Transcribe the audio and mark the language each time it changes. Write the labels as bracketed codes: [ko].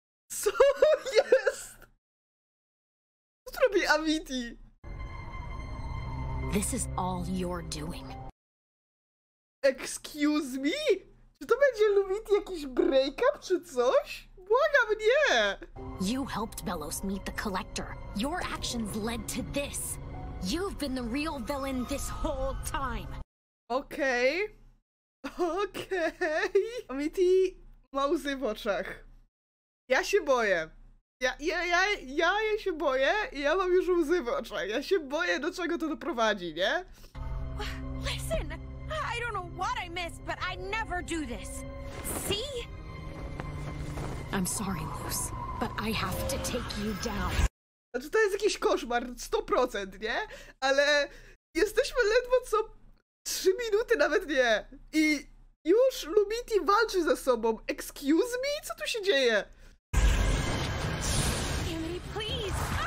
[pl] Co jest? Co zrobi Amity? [en] This is all you're doing. Excuse me? [pl] Czy to będzie Lumity jakiś breakup czy coś? Błagam, nie! [en] You helped Belos meet the Collector. Your actions led to this. You've been the real villain this whole time. [pl] Okej. Okej. Amity ma łzy w oczach. Ja się boję. Ja się boję i ja mam już łzy w oczach. Ja się boję, do czego to doprowadzi, nie? [en] Listen! I don't know what I missed, but I never do this. See? I'm sorry, Luz, but I have to take you down. [pl] Znaczy, to jest jakiś koszmar, 100%, nie? Ale jesteśmy ledwo co 3 minuty, nawet nie. I już Lumity walczy ze sobą. [en] Excuse me? [pl] Co tu się dzieje? [en] Amity, please!